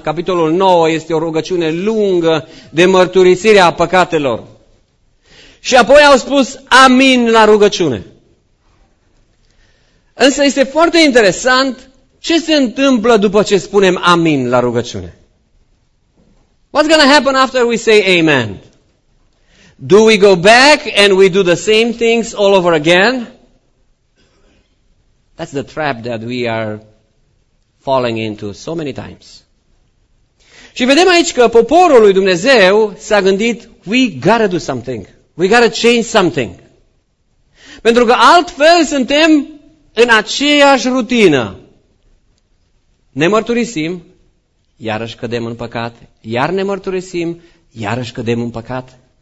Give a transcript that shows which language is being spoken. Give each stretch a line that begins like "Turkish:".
Romanian: Capitolul 9 este o rugăciune lungă de mărturisire a păcatelor. Și apoi au spus amin la rugăciune. Însă este foarte interesant ce se întâmplă după ce spunem amin la rugăciune.
English: What's going to happen after we say amen? Do we go back and we do the same things all over again? That's the trap that we are falling into so many times.
Romanian: Și vedem aici că poporul lui Dumnezeu s-a gândit,
English: we gotta do something. We gotta change something.
Romanian: Pentru că altfel suntem în aceeași rutină. Ne mărturisim, iarăși cădem în păcat, iar ne mărturisim, iarăși cădem în păcat.